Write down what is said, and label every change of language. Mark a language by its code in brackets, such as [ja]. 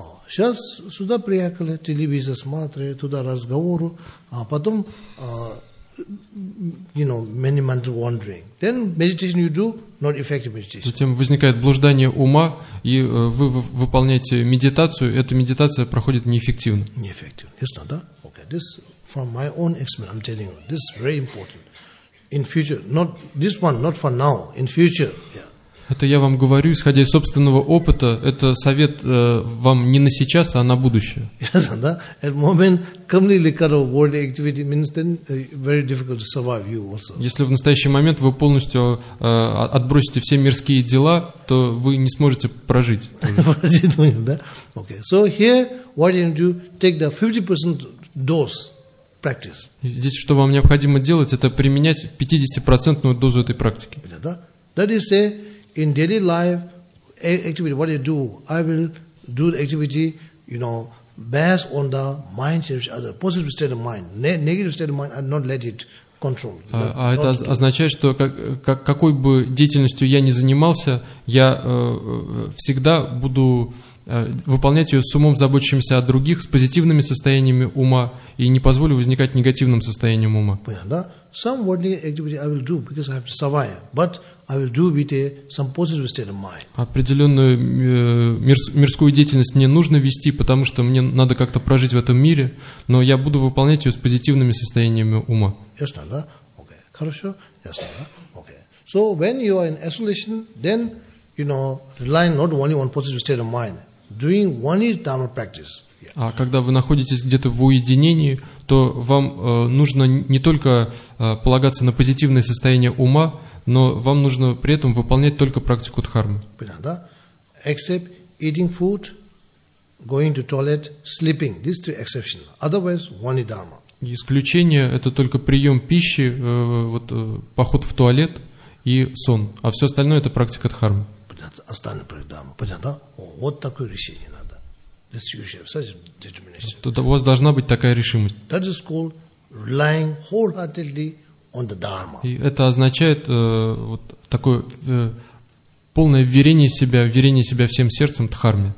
[ru] Сейчас сюда приехали, телевизор смотрели, туда разговору, а потом, [en] you know, many mental wandering. Then meditation you do, not effective meditation. [ru] Затем возникает блуждание ума, и вы выполняете медитацию, эта медитация проходит неэффективно. Неэффективно. Ясно, да? Okay. [en] This from my own experience, I'm telling you, this is very important. In future, not this one, not for now. In future, yeah. [ru] Это я вам говорю, исходя из собственного опыта, это совет вам не на сейчас, а на будущее. [en] Yes, да. At moment, completely cut off worldly activity means then very difficult to survive you also. [ru] Если в настоящий момент вы полностью отбросите все мирские дела, то вы не сможете прожить. Прожить, да. [en] Okay. So here, what you do? Take the 50% dose. Practice. [ru] Здесь что вам необходимо делать, это применять 50% дозу этой практики. [en] That is say, in daily life activity, what you do, I will do the activity, you know, based on the mind of each other, positive state of mind, negative state of mind, I not let it control. [ru] А это означает, что какой бы деятельностью я ни занимался, я всегда буду выполнять ее с умом, заботящимся о других, с позитивными состояниями ума, и не позволю возникать негативным состоянием ума. Понятно, да? [en] Some worldly activity I will do, because I have to survive, but I will do with some positive state of mind. [ru] Определенную мирскую деятельность мне нужно вести, потому что мне надо как-то прожить в этом мире, но я буду выполнять ее с позитивными состояниями ума. Ясно, да? Okay. Хорошо? Ясно, да? Okay. [en] So, when you are in isolation, then, you know, relying not only on positive state of mind, doing one dharma practice. Yeah. [ru] А когда вы находитесь где-то в уединении, то вам нужно не только полагаться на позитивное состояние ума, но вам нужно при этом выполнять только практику дхармы. Понятно, да? [en] Except eating food, going to toilet, sleeping. These three exceptions. Otherwise, one dharma. [ru] Исключение – это только прием пищи, поход в туалет и сон. А все остальное – это практика дхармы. Остальные программы. Понятно, да? Вот такое решение надо. [en] That's you should have such a determination. [ru] Тут у вас должна быть такая решимость. [en] That is called relying wholeheartedly on the Dharma. [ru] И это означает полное верение себя всем сердцем Дхарме.